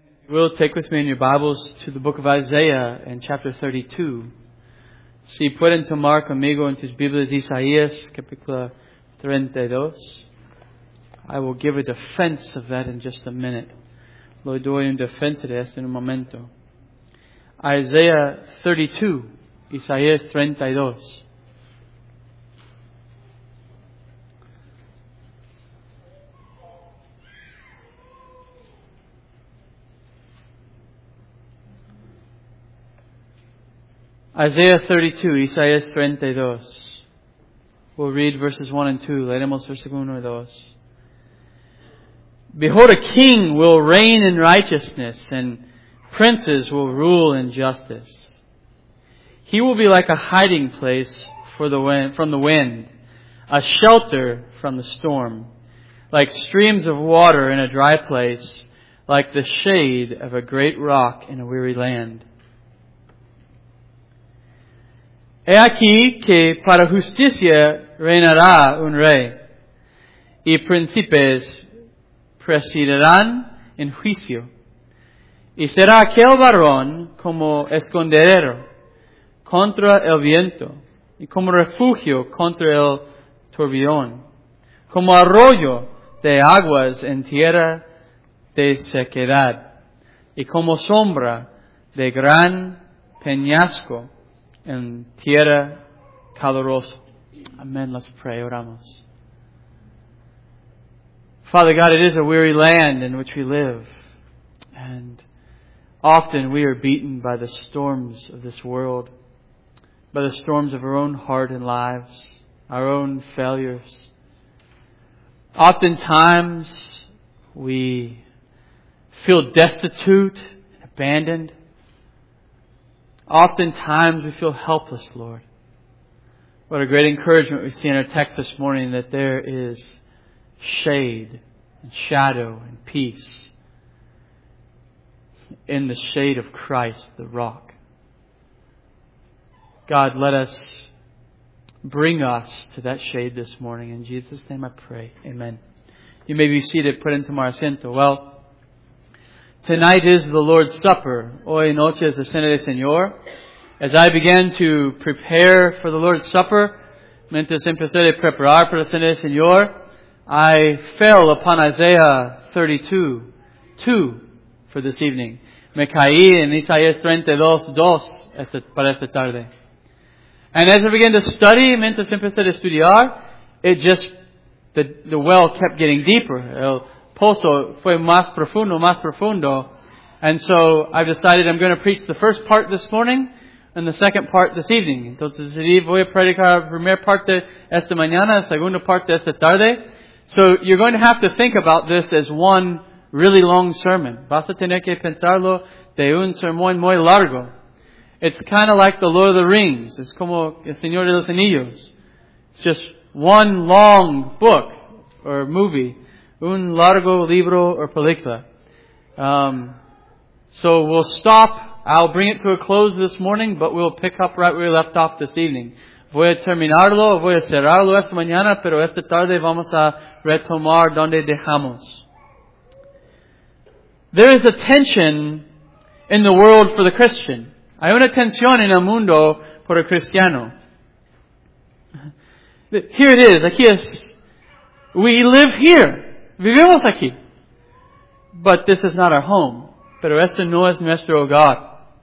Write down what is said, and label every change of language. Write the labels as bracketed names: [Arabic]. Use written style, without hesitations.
[English] We'll take with me in your Bibles to the book of Isaiah in chapter 32. [Spanish] Si pueden tomar conmigo en tus Biblias Isaías, capítulo 32. [English] I will give a defense of that in just a minute. [Spanish] Lo doy un defensa de esto en un momento. [English] Isaiah 32, Isaías 32. Isaiah 32, Isaías 32. We'll read verses 1 and 2. [Spanish] Leeremos versículo 1 y 2. [English] Behold, a king will reign in righteousness, and princes will rule in justice. He will be like a hiding place for the wind, from the wind, a shelter from the storm, like streams of water in a dry place, like the shade of a great rock in a weary land. [Spanish] He aquí que para justicia reinará un rey, y príncipes presidirán en juicio, y será aquel varón como escondedero contra el viento, y como refugio contra el turbión, como arroyo de aguas en tierra de sequedad, y como sombra de gran peñasco en tierra calurosa. [English] Amen. Let's pray. [Spanish] Oramos. [English] Father God, it is a weary land in which we live. And often we are beaten by the storms of this world, by the storms of our own heart and lives, our own failures. Oftentimes we feel destitute, abandoned. Oftentimes we feel helpless, Lord. What a great encouragement we see in our text this morning that there is shade and shadow and peace in the shade of Christ, the rock. God, let us bring us to that shade this morning. In Jesus' name I pray. Amen. You may be seated, put into my asiento. Well, tonight is the Lord's Supper. [Spanish] Hoy noche es la cena del Señor. [English] As I began to prepare for the Lord's Supper, [Spanish] mientras empecé a preparar para la cena del Señor, [English] I fell upon Isaiah 32:2 for this evening. [Spanish] Me caí en Isaías 32:2 para esta tarde. [English] And as I began to study, [Spanish] mientras empecé a estudiar, [English] it just, the well kept getting deeper. [Spanish] Pozo fue más profundo, [English] and so I've decided I'm going to preach the first part this morning and the second part this evening. [Spanish] Entonces, voy a predicar la primera parte esta mañana, la segunda parte esta tarde. [English] So you're going to have to think about this as one really long sermon. [Spanish] Vas a tener que pensarlo de un sermón muy largo. [English] It's kind of like the Lord of the Rings. [Spanish] Es como el Señor de los Anillos. [English] It's just one long book or movie. [Spanish] Un largo libro o película. [English] So we'll stop. I'll bring it to a close this morning, but we'll pick up right where we left off this evening. [Spanish] Voy a terminarlo, voy a cerrarlo esta mañana, pero esta tarde vamos a retomar donde dejamos. [English] There is a tension in the world for the Christian. [Spanish] Hay una tensión en el mundo por el cristiano. [English] Here it is. [Spanish] Aquí es. [English] We live here. [Spanish] Vivimos aquí. [English] But this is not our home. [Spanish] Pero este no es nuestro hogar.